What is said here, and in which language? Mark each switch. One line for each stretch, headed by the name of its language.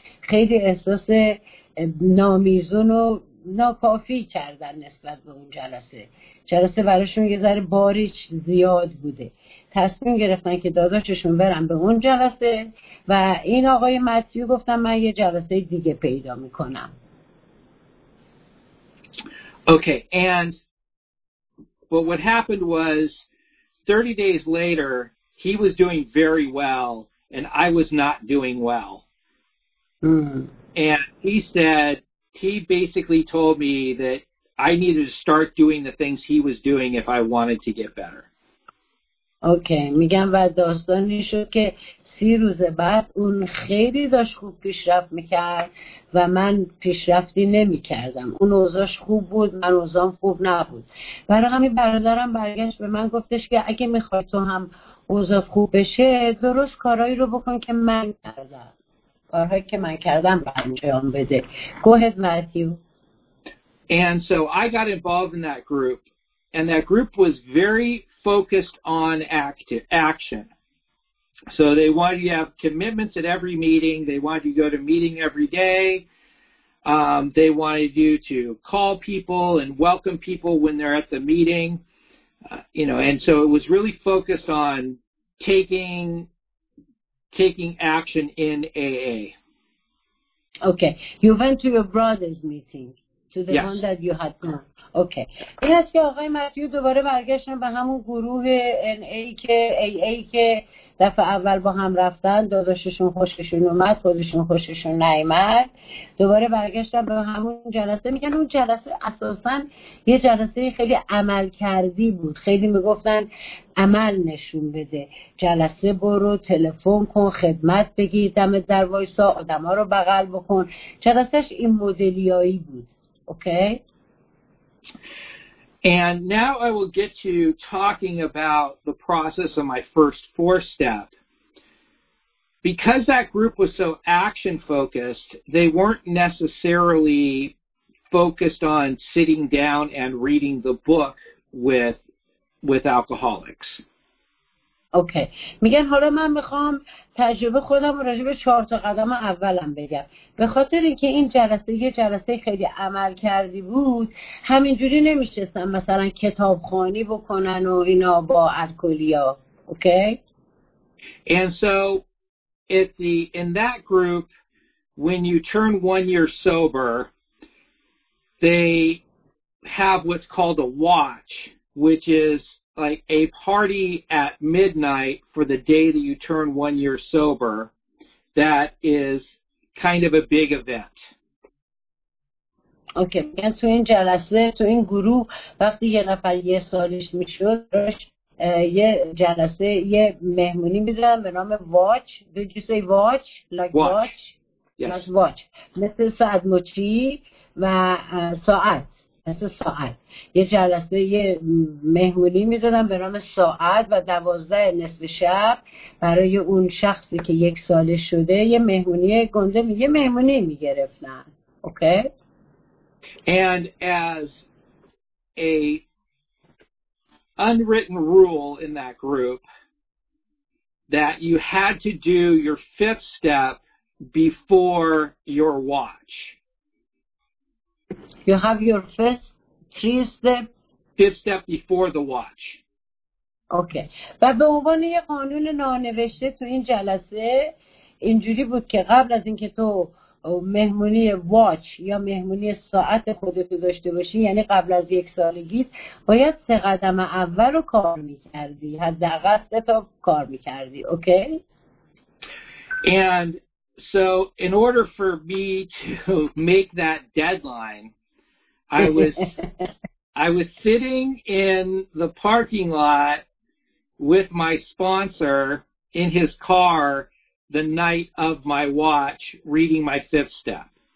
Persian: خیلی احساس نامیزون و ناکافی کردن نسبت به اون جلسه. جلسه براشون یه ذره باریش زیاد بوده. تصمیم گرفتن که داداششون برن به اون جلسه و این آقای متیو گفتم من یه جلسه دیگه پیدا میکنم.
English: Okay, and but what happened was 30 days later, he was doing very well, and I was not doing well. And he said, he basically told me that I needed to start doing the things he was doing if I wanted to get better.
Persian: Okay, میگم و داستانی شد که 30 روز بعد اون خیلی داشت خوب پیشرفت میکرد و من پیشرفتی نمیکردم. اون اوضاعش خوب بود, من اوضاعم خوب نبود. برای همین برادرم برگشت به من گفتش که اگه میخوای تو هم اوضاع خوب بشه درست کارهایی رو بکن که من کردم. کارهایی که من کردم به انجام بده.
English: Go ahead, Matthew. And so I got involved in that group And that group was very focused on action. So they wanted you to have commitments at every meeting. They wanted you to go to meeting every day. They wanted you to call people and welcome people when they're at the meeting. And so it was really focused on taking action in AA. Okay. You went to your brother's meeting. To the one that you had come.
Persian: Okay. این است که آقای متیو دوباره برگشتن به همون گروه NA که AA که دفعه اول با هم رفتن داداششون خوششون اومد خودشون خوششون نیامد دوباره برگشتن به همون جلسه میگن اون جلسه اساسا یه جلسه خیلی عمل کردی بود خیلی میگفتن عمل نشون بده جلسه برو تلفن کن خدمت بگیر دم در وایسا آدم ها رو بغل بکن جلسهش این مدلیایی بود. Okay.
English: And now I will get to talking about the process of my first four step. Because that group was so action focused, they weren't necessarily focused on sitting down and reading the book with alcoholics.
Persian: اوکی میگن حالا من میخوام تجربه خودم راجع به 4 تا قدم اولام بگم به خاطر اینکه این جلسه یه جلسه خیلی عمل کردی بود همینجوری نمیشستن مثلا کتابخوانی بکنن و اینا با الکلیا اوکی
English: and so in that group when you turn 1 year sober they have what's called a watch which is like a party at midnight for the day that you turn 1 year sober, that is kind of a big event. Okay, and so in
Persian: جلسه تو این گروه وقتی یه نفر یه سالش میشد روش یه جلسه یه مهمونی میذارن به نام watch.
English: Did you say watch? Like watch? Yes. Like watch.
Persian: مثل ساعت مچی و ساعت. مثل ساعت یه جلسه یه مهمونی میدادن به نام ساعت و 12 نصف شب برای اون شخصی که 1 ساله شده یه مهمونی گنده یه مهمونی میگرفتن اوکی
English: and as a unwritten rule in that group that you had to do your fifth step before your watch. You have your fifth step before the watch. Okay.
Persian: و به عنوان یه قانون نانوشته تو این جلسه اینجوری بود که قبل از اینکه تو مهمونی watch یا مهمونی ساعت خودتو داشته باشی یعنی قبل از 1 سالگی باید 3 قدم اول رو کار میکردی حداقل 3 تا کار میکردی.
English: Okay. And so in order for me to make that deadline, I was sitting in the parking lot with my sponsor in his car the night of my watch reading my fifth step.